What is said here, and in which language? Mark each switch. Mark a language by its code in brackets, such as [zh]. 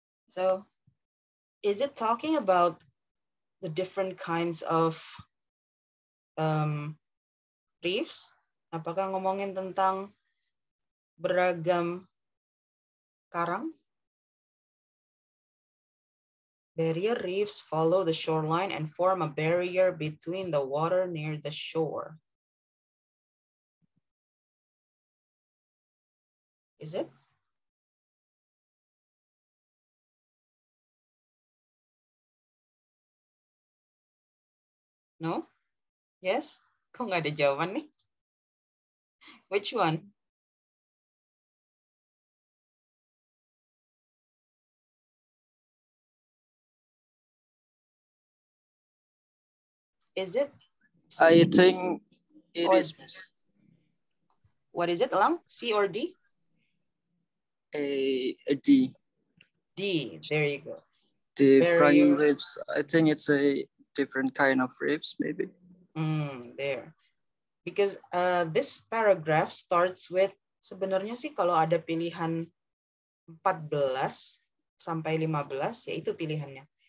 [en] So, is it talking about the different kinds of reefs? [id] Apakah ngomongin tentang beragam karang? [en] Barrier reefs follow the shoreline and form a barrier between the water near the shore. Is it? No? Yes? [id] Kok gak ada jawaban nih? [en] Which one? Is it? I think it is. What is it, Alang? C or D? A D. D, there you go. Different reefs. I think it's a different kind of reefs, maybe. There. Because this paragraph starts with, [id] sebenarnya sih kalau ada pilihan 14-15, ya itu pilihannya.